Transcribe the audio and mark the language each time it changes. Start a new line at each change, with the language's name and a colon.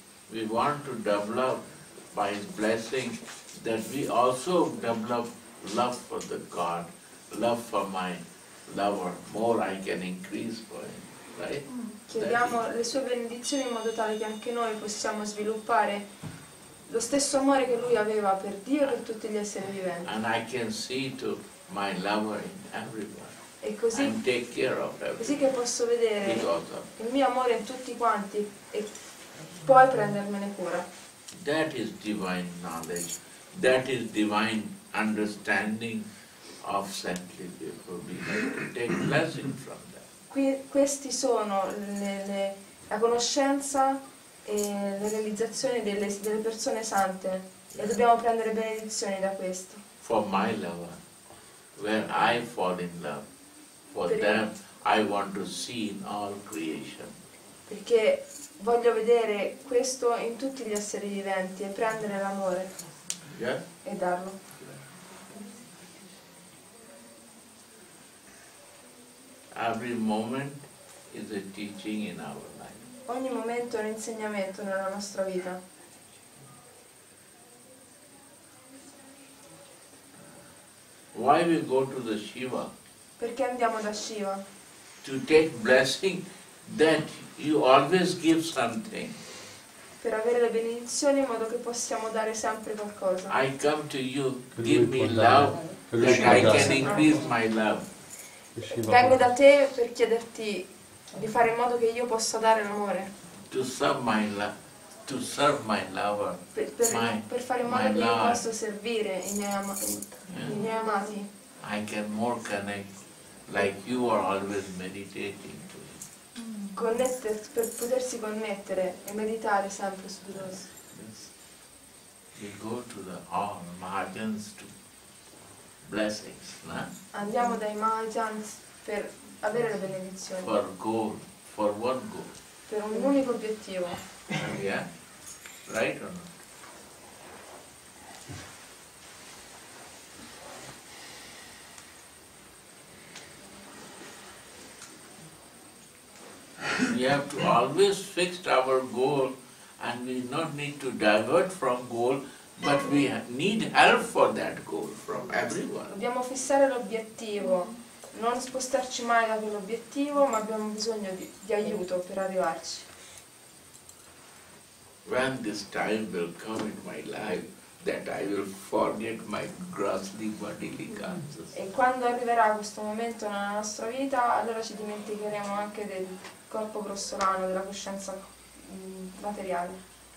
English: We want to develop by his blessing that we also develop love for the God, love for my lover, more I can increase for him, right?
Italian: Chiediamo le sue benedizioni in modo tale che anche noi possiamo sviluppare lo stesso amore che lui aveva per Dio e per tutti gli esseri viventi.
English: And I can see to my lover in everyone.
Italian: E così,
English: and take care of everyone.
Italian: Così che posso vedere il mio amore in tutti quanti e poi prendermene cura.
English: That is divine knowledge. That is divine understanding of saintly people. We have to take blessing from that.
Italian: Questi sono la conoscenza e le realizzazioni delle persone sante. E dobbiamo prendere benedizioni da questo.
English: For my lover, when I fall in love, for them, I want to see in all creation.
Italian: Perché voglio vedere questo in tutti gli esseri viventi e prendere l'amore e darlo.
English: Every moment is a teaching in our life.
Italian: Ogni momento è un insegnamento nella nostra vita.
English: Why we go to the Shiva?
Italian: Perché andiamo da Shiva?
English: To take blessing that you always give something.
Italian: per avere le benedizioni in modo che possiamo dare sempre qualcosa.
English: I come to you, give me love, that I can increase my love.
Italian: Vengo da te per chiederti di fare in modo che io possa dare l'amore.
English: To serve my love, to serve my lover.
Italian: Per fare in modo che io possa servire i miei amati.
English: I can more connect, like you are always meditating to me.
Italian: Connetter, per potersi connettere e meditare sempre su di loro.
English: Yes. We go to the margins to blessings, no?
Italian: Andiamo dai Mahajans per avere le benedizioni.
English: For goal, for one goal.
Italian: Per un unico obiettivo.
English: Yeah, right or not? We have to always fix our goal, and we not need to divert from goal, but we need help for that goal from everyone.
Italian: Dobbiamo fissare l'obiettivo, non spostarci mai da quell'obiettivo, ma abbiamo bisogno di aiuto per arrivarci.
English: When this time will come in my life that I will forget my grossly bodily concerns.
Italian: E quando arriverà questo momento nella nostra vita, allora ci dimenticheremo anche del corpo grossolano, della coscienza materiale.